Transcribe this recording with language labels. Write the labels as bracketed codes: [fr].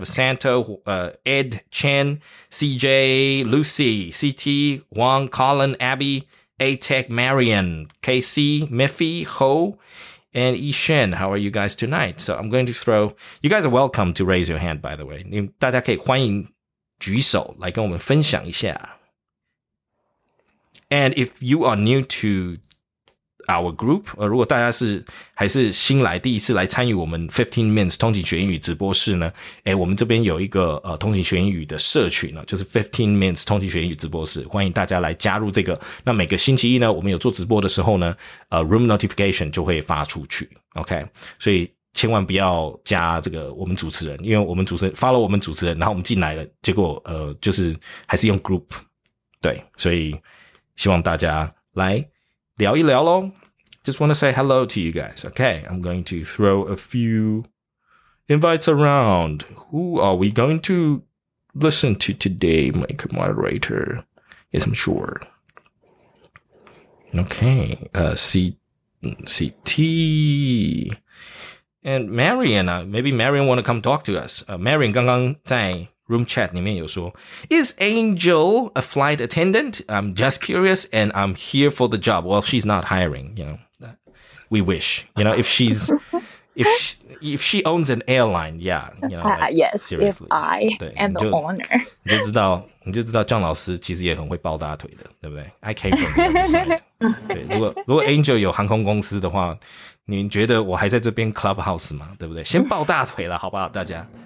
[en] Vasanto, Ed, Chen, CJ, Lucy, CT, Wang, Colin, Abby, A-Tech, Marion, KC, Miffy, Ho, and Yishen. How are you guys tonight? So I'm going to throw... You guys are welcome to raise your hand, by the way. [zh] 大家可以欢迎举手来跟我们分享一下。 [en] And if you are new to our group, [zh] 如果大家是还是新来第一次来参与我们15 Minutes 通勤学英语直播室呢，诶，我们这边有一个通勤学英语的社群呢，就是15 Minutes 通勤学英语直播室，欢迎大家来加入这个。那每个星期一呢，我们有做直播的时候呢，room notification 就会发出去。 OK, 所以千万不要加这个我们主持人，因为我们主持人 follow 我们主持人，然后我们进来了，结果就是还是用 group, 对，所以希望大家来聊一聊咯。 [en] Just want to say hello to you guys. Okay, I'm going to throw a few invites around. Who are we going to listen to today, my moderator? Yes, I'm sure. Okay, CT... And Marion, maybe Marion want to come talk to us. Marion [zh] 刚刚在 room chat 里面有说 [en] Is Angel a flight attendant? I'm just curious and I'm here for the job. Well, she's not hiring, you know. We wish, you know, if she owns an airline, yeah. You know, like, yes, seriously, if I am the owner. [zh] 你就知道姜老师其实也很会抱大腿的，对不对？ [en] I came from the other side. [zh] 对，如果 Angel 有航空公司的话，你觉得我还在这边 clubhouse 吗？对不对？先抱大腿了，好不好，大家